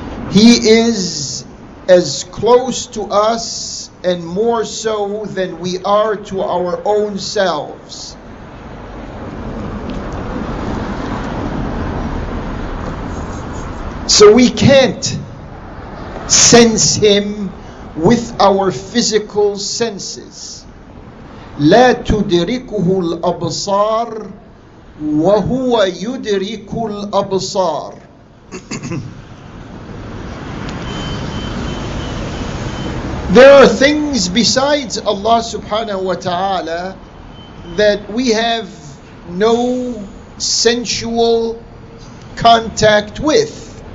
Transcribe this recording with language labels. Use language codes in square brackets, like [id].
[en] He is as close to us and more so than we are to our own selves. So we can't sense him with our physical senses. [ar] لا تدركه الأبصار وهو يدرك الأبصار. [en] There are things besides Allah subhanahu wa ta'ala that we have no sensual contact with.